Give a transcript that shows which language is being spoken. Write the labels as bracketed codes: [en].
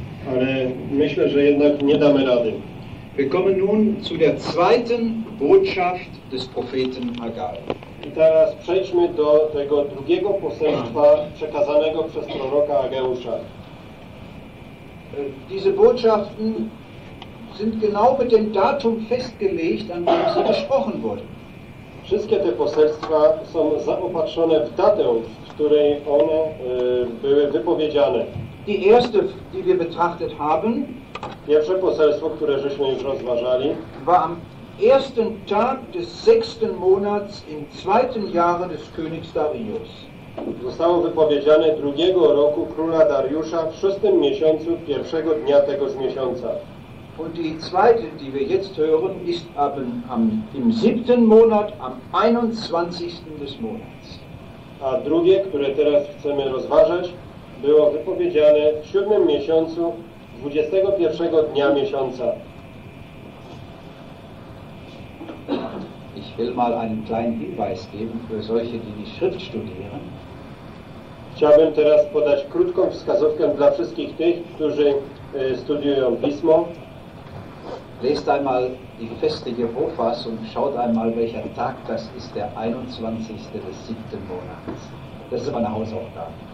[pl] Ale myślę, że jednak nie damy rady. [de] Wir kommen nun zu der zweiten Botschaft des Propheten Hagai. [pl] I teraz przejdźmy do tego drugiego poselstwa przekazanego przez proroka Ageusza. [de] Diese Botschaften sind genau mit dem Datum festgelegt, an dem sie gesprochen wurden. [pl] Wszystkie te poselstwa są zaopatrzone w datę, w której one były wypowiedziane. [de] Die erste, die wir betrachtet haben, [pl] pierwsze poselstwo, które żeśmy już rozważali, [de] ersten Tag des sechsten Monats im zweiten Jahre des Königs Darius. [pl] Zostało wypowiedziane drugiego roku króla Dariusza w szóstym miesiącu pierwszego dnia tegoż miesiąca. [de] Und die zweite, die wir jetzt hören, ist im siebten Monat am 21. des Monats. [pl] A drugie, które teraz chcemy rozważać, było wypowiedziane w siódmym miesiącu 21. dnia miesiąca. [de] Ich will mal einen kleinen Hinweis geben für solche, die die Schrift studieren. [pl] Chciałbym teraz podać krótką wskazówkę dla wszystkich tych, którzy studiują Pismo. [de] Lest einmal die Feste Jehovas und schaut einmal, welcher Tag das ist, der 21. des 7. Monats. Das ist aber eine Hausaufgabe.